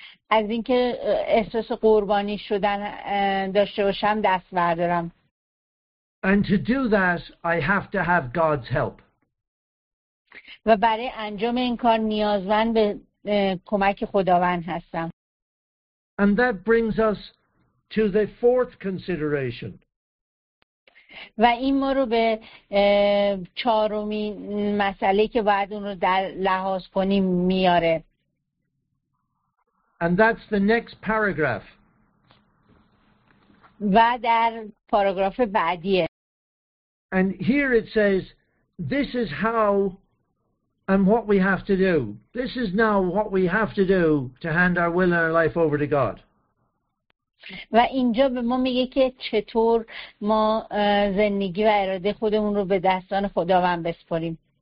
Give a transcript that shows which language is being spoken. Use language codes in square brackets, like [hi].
[fa] از اینکه احساس قربانی شدن داشته باشم دست بردارم. [en] And to do that, I have to have God's help. [fa] و برای انجام این کار نیازمند به کمک خداوند هستم. [en] And that brings us to the fourth consideration. [fa] و این ما رو به چهارمین مسئله که باید اون رو در لحاظ کنیم میاره. [en] And that's the next paragraph. [fa] و در پاراگراف بعدیه. [en] And here it says, this is how and what we have to do. This is now what we have to do to hand our will and our life over to God. [fa] و اینجا به ما میگه که چطور ما زندگی و اراده خودمون رو به دستان خداوند بسپاریم.